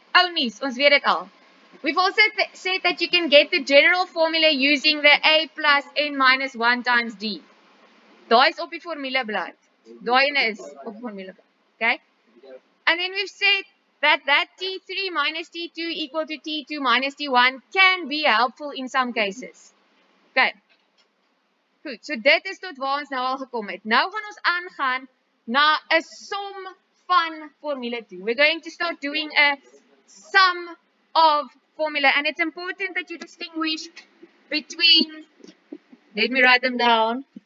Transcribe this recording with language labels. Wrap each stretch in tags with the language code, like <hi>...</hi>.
<af>Almis, ons weet het al.</af> <en>We've also said that you can get the general formula using the a plus n minus 1 times d.</en> <af>Daai is op die formulablad. Daai is op formulablad. Okay?</af> <en>And then we've said that that t3 minus t2 equal to t2 minus t1 can be helpful in some cases.</en> <af>Okay. Goed, so dit is tot waar ons nou al gekom het. Nou gaan ons aangaan na 'n som van formule 2.</af> <en>We're going to start doing a sum of formula. And it's important that you distinguish between, let me write them down.</en>